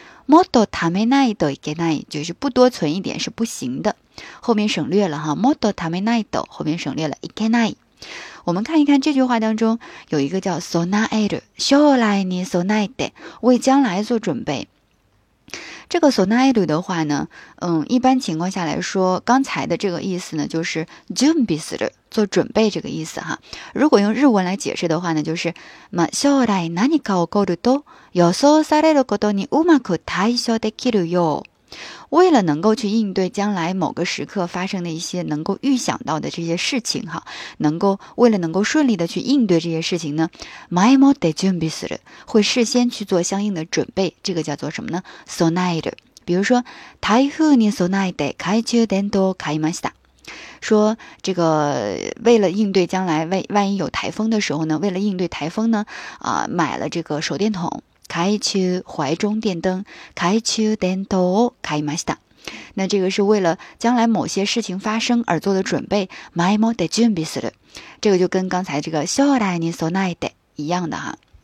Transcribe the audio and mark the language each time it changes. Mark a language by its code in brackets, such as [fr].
[ja] もっと貯めないといけない， [zh] 就是不多存一点是不行的。后面省略了哈， [ja] もっと貯めないと， [zh] 后面省略了いけない。我们看一看这句话当中有一个叫備える， [ja] 将来に備えて， [zh] 为将来做准备。这个備える的话呢，一般情况下来说，刚才的这个意思呢，就是準備する，做准备这个意思哈。如果用日文来解释的话呢，就是 [ja] ま将来何か起こると予想されることにうまく対処できるよ。 [zh] 为了能够去应对将来某个时刻发生的一些能够预想到的这些事情哈，为了能够顺利的去应对这些事情呢， [ja] 前もって準備する， [zh] 会事先去做相应的准备，这个叫做什么呢？ [ja] 備える。 [zh] 比如说， [ja] 台風に備えて懐中電灯を買いました。 [zh] 说这个为了应对将来万一有台风的时候呢，为了应对台风呢，买了这个手电筒。开去怀中电灯，开去电灯，开马西达。那这个是为了将来某些事情发生而做的准备， [ja] 前もって準備する。 [zh] 这个就跟刚才这个 [ja] 将来に備えて [zh] 一样的哈。